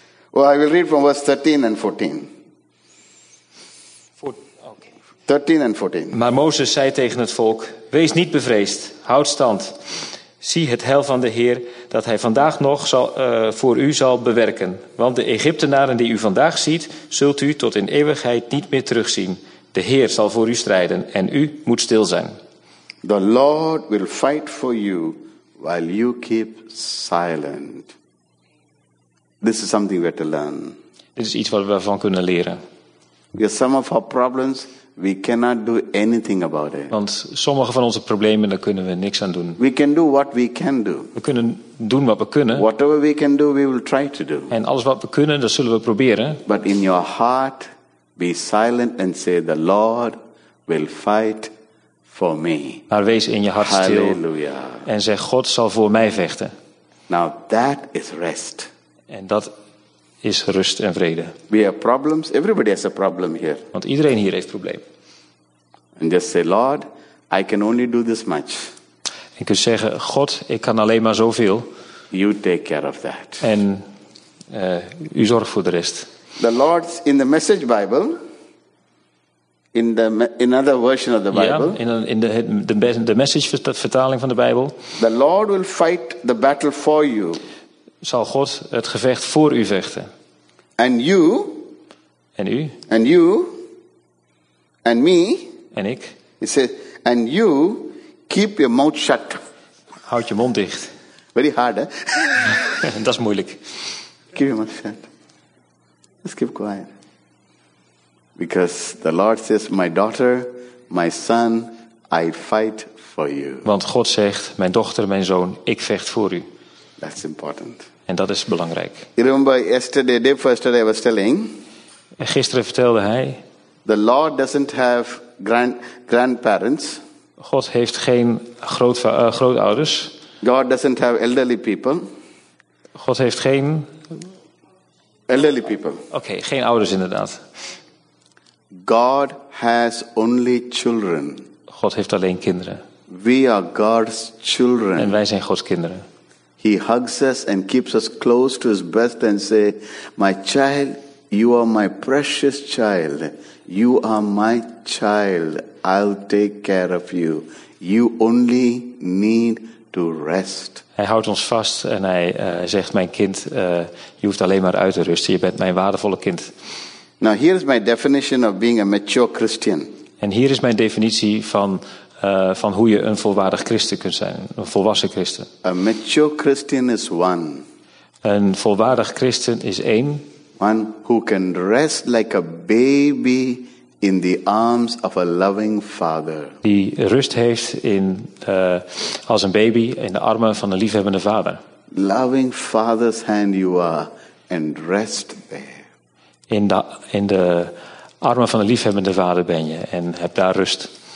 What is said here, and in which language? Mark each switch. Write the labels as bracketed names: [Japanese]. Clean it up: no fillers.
[English] Well, I will read from verse 13 and 14. Okay. 13 and 14. [Dutch] Maar Mozes zei tegen het volk, wees niet bevreesd, houd stand. Zie het heil van de Heer, dat hij vandaag nog voor u zal bewerken. Want de Egyptenaren die u vandaag ziet, zult u tot in eeuwigheid niet meer terugzien. De Heer zal voor u strijden en u moet stil zijn. [English] The Lord will fight for you while you keep silent. This is something we have to learn. [Dutch] Dit is iets wat we ervan kunnen leren. [English] Because some of our problems, we cannot do anything about it. [Dutch] Want sommige van onze problemen, daar kunnen we niks aan doen. [English] We can do what we can do. [Dutch] We kunnen doen wat we kunnen. [English] Whatever we can do, we will try to do. [Dutch] En alles wat we kunnen, dat zullen we proberen. [English] But in your heart, be silent and say, the Lord will fight for me. [Dutch] Maar wees in je hart stil. Halleluja. En zeg, God zal voor mij vechten. [English] Now that is rest. [Dutch] En dat is rust en vrede. [English] We have problems. Everybody has a problem here. [Dutch] Want iedereen hier heeft problemen. [English] And just say, Lord, I can only do this much. [Dutch] En kun je zeggen, God, ik kan alleen maar zoveel. [English] You take care of that. [Dutch] En u zorgt voor de rest. [English] The Lord in the Message Bible, in the another version of the Bible. [Dutch] Ja, in de Message vertaling van de Bijbel. [English] The Lord will fight the battle for you. [Dutch] Zal God het gevecht voor u vechten? [English] And you, [Dutch] en u? [English] And you, and me, [Dutch] en ik? [English] He said, and you keep your mouth shut. [Dutch] Houd je mond dicht. [English] Very hard, hè? [Dutch] Dat is moeilijk. [English] Keep your mouth shut. Just keep quiet. Because the Lord says, my daughter, my son, I fight for you. [Dutch] Want God zegt, mijn dochter, mijn zoon, ik vecht voor u. [English] That's important. [Dutch] En dat is belangrijk. [English] You remember yesterday, day before yesterday I was telling. [Dutch] En gisteren vertelde hij. [English] The Lord doesn't have grandparents. [Dutch] God heeft geen grootouders. [English] God doesn't have elderly people. [Dutch] God heeft geen [English] elderly people. [Dutch] Oké, geen ouders inderdaad. [English] God has only children. [Dutch] God heeft alleen kinderen. [English] We are God's children. [Dutch] En wij zijn Gods kinderen. [English] He hugs us and keeps us close to his breast and say, "My child, you are my precious child. You are my child. I'll take care of you. You only need to rest." [Dutch] Hij houdt ons vast en hij zegt, mijn kind, je hoeft alleen maar uit te rusten. Je bent mijn waardevolle kind. [English] Now here is my definition of being a mature Christian. [Dutch] En hier is mijn definitie van hoe je een volwaardig christen kunt zijn, een volwassen christen. [English] A mature Christian is one. [Dutch] Een volwaardig christen is één. [English] One who can rest like a baby in the arms of a loving father. [Dutch] Die rust heeft in als een baby in de armen van een liefhebbende vader. [English] Loving father's hand you are and rest there. [Dutch] In de armen van een liefhebbende vader ben je en heb daar rust.